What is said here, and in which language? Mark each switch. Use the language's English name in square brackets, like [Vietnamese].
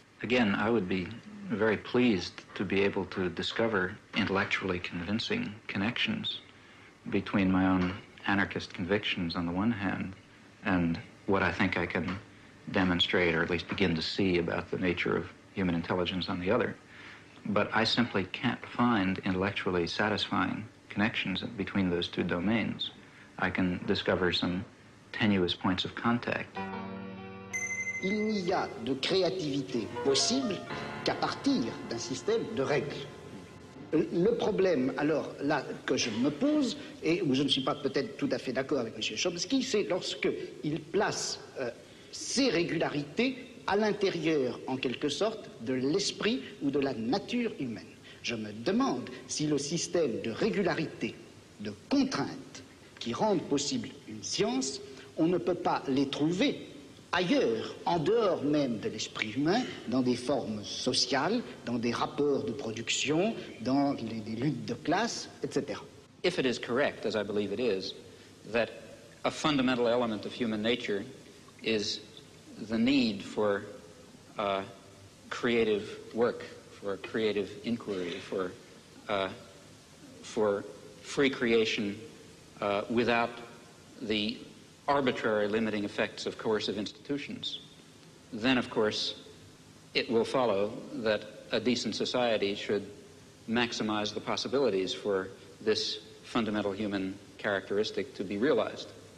[English] Again, I would be very pleased to be able to discover intellectually convincing connections between my own anarchist convictions on the one hand and what I think I can demonstrate or at least begin to see about the nature of human intelligence on the other. But I simply can't find intellectually satisfying connections between those two domains. I can discover some tenuous points of contact. [French] Il n'y a de créativité possible qu'à partir d'un système de règles. Le problème, alors, là, que je me pose, et où je ne suis pas peut-être tout à fait d'accord avec M. Chomsky, c'est lorsque il place ses régularités à l'intérieur, en quelque sorte, de l'esprit ou de la nature humaine. Je me demande si le système de régularité, de contraintes, qui rendent possible une science, on ne peut pas les trouver ailleurs, en dehors même de l'esprit humain, dans des formes sociales, dans des rapports de production, dans les luttes de classe, etc. [English] If it is correct, as I believe it is, that a fundamental element of human nature is the need for creative work, for creative inquiry, for free creation without the arbitrary limiting effects of coercive institutions, then of course it will follow that a decent society should maximize the possibilities for this fundamental human characteristic to be realized.